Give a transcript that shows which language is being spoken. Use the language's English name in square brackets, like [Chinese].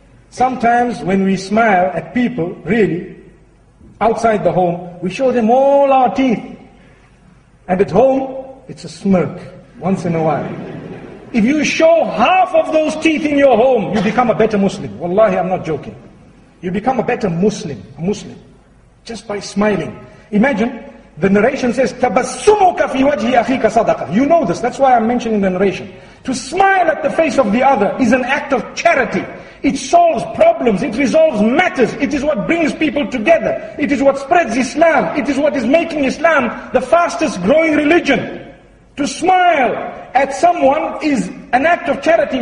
[English] Sometimes when we smile at people, really, outside the home, we show them all our teeth. And at home, it's a smirk, once in a while. If you show half of those teeth in your home, you become a better Muslim. Wallahi, I'm not joking. You become a better Muslim, a Muslim, just by smiling. Imagine, the narration says, [Arabic] تَبَسُّمُكَ فِي وَجْهِ أَخِيكَ صَدَقَةً. [English] You know this, that's why I'm mentioning the narration. To smile at the face of the other is an act of charity. It solves problems, it resolves matters, it is what brings people together, it is what spreads Islam, it is what is making Islam the fastest growing religion. To smile at someone is an act of charity.